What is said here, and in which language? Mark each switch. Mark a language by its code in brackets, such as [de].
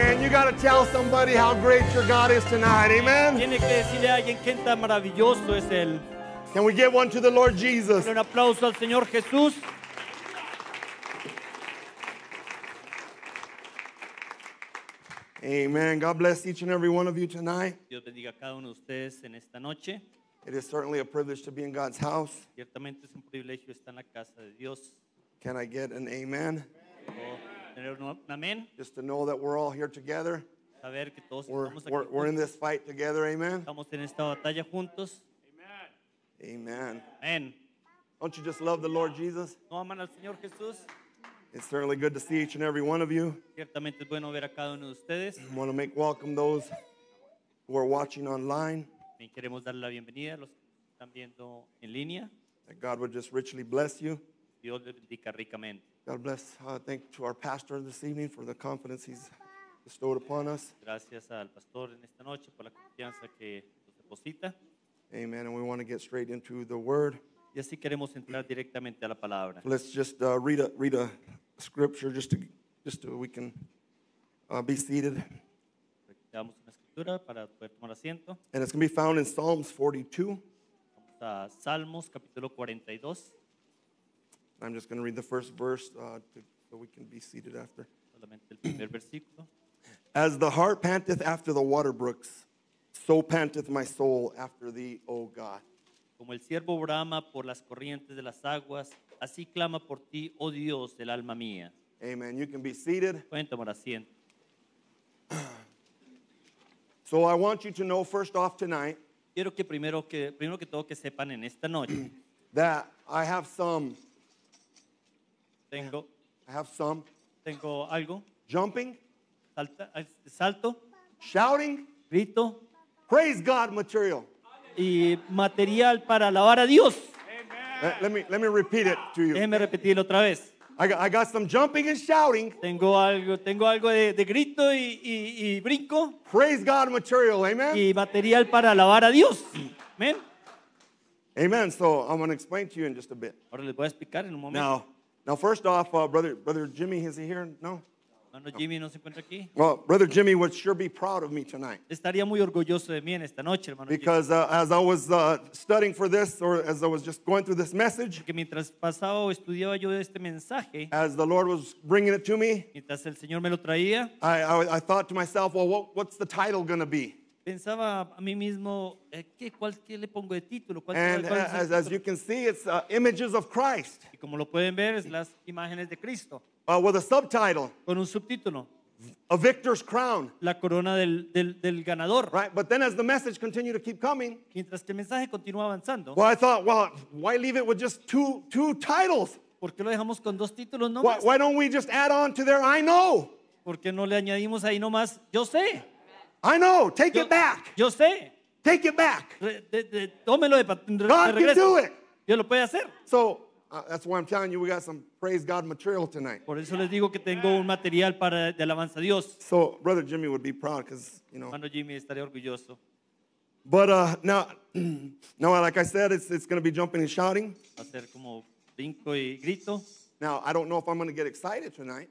[en] got to tell somebody how great your God is tonight. Amen. [es] Tiene que decirle a alguien qué tan maravilloso es él. [en] Can we get one to the Lord Jesus? [es] Un aplauso al Señor Jesús. [en] Amen. God bless each and every one of you tonight. [es] Dios bendiga a cada uno de ustedes en esta noche. [en] It is certainly a privilege to be in God's house. [es] Ciertamente es un privilegio estar en la casa de Dios. [en] Can I get an amen? Amen. Just to know that we're all here together. [es] Saber que todos [en] we're in this fight together, amen? [es] Estamos en esta batalla juntos. [en] Amen. Amen. Don't you just love the Lord Jesus? [es] ¿No aman al Señor Jesús? [en] It's certainly good to see each and every one of you. [es] Ciertamente es bueno ver a cada uno de ustedes. [en] I want to make welcome those who are watching online. [es] Y queremos dar la bienvenida a los que están viendo en línea. [en] That God would just richly bless you. [es] Dios les bendiga ricamente. [en] God bless. Thank you to our pastor this evening for the confidence he's bestowed upon us. [es] Gracias al pastor en esta noche por la confianza que nos deposita. [en] Amen. And we want to get straight into the word. [es] Y así queremos entrar directamente a la palabra. [en] Let's just read a scripture just so we can be seated. [es] Damos una escritura para poder tomar asiento. [en] And it's going to be found in Psalms 42. [es] Vamos a Salmos capítulo 42. [en] I'm just going to read the first verse so we can be seated after. [es] Solamente el primer versículo. [en] As the hart panteth after the water brooks, so panteth my soul after thee, O God. [es] Como el ciervo brama por las corrientes de las aguas, así clama por ti, oh Dios, el alma mía. [en] Amen. You can be seated. [es] Pueden tomar asiento. [en] So I want you to know first off tonight. [es] Quiero que primero que todo que sepan en esta noche. [en] That I have some. [es] Tengo. [en] I have some. [es] Tengo algo. [en] Jumping. [es] Salto. [en] Shouting. [es] Grito. [en] Praise God material. [es] Y material para alabar a Dios. [en] Amen. Let me repeat it to you. [es] Déjeme repetirlo otra vez. [en] I got some jumping and shouting. [es] Tengo algo de grito y brinco. [en] Praise God material, amen. [es] Y material para alabar a Dios. Amen. [en] Amen. So I'm going to explain to you in just a bit. [es] Ahora les voy a explicar en un momento. [en] Now first off, brother Jimmy, is he here? No. [es] No. Jimmy no se encuentra aquí. [en] Well, brother Jimmy would sure be proud of me tonight. [es] Estaría muy orgulloso de mí en esta noche, hermano. [en] Because as I was studying for this, or as I was just going through this message, [es] que mientras pasaba o estudiaba yo este mensaje, [en] as the Lord was bringing it to me, [es] mientras el Señor me lo traía, [en] I thought to myself, well, what's the title going to be? [es] Pensaba a mí mismo, ¿qué le pongo de título? [en] As you can see, it's images of Christ. [es] Y como lo pueden ver, es las imágenes de Cristo. [en] With a subtitle. [es] Con un subtítulo. [en] A victor's crown. [es] La corona del ganador. [en] Right, but then as the message continued to keep coming. [es] Mientras que el mensaje continuó avanzando. [en] Well, I thought, well, why leave it with just two titles? [es] ¿Por qué lo dejamos con dos títulos nomás? [en] Why don't we just add on to there, I know? [es] ¿Por qué no le añadimos ahí nomás, yo sé? [en] I know, take it back. [es] Yo sé. [en] Take it back. [es] Tómelo de regreso. [en] God can do it. [es] Dios lo puede hacer. [en] So, that's why I'm telling you we got some praise God material tonight. [es] Por eso les digo que tengo un material para de alabanza a Dios. [en] So, brother Jimmy would be proud because, you know. [es] Hermano Jimmy estaría orgulloso. [en] But now, like I said, it's going to be jumping and shouting. [es] Va a ser como brinco y grito. [en] Now, I don't know if I'm going to get excited tonight.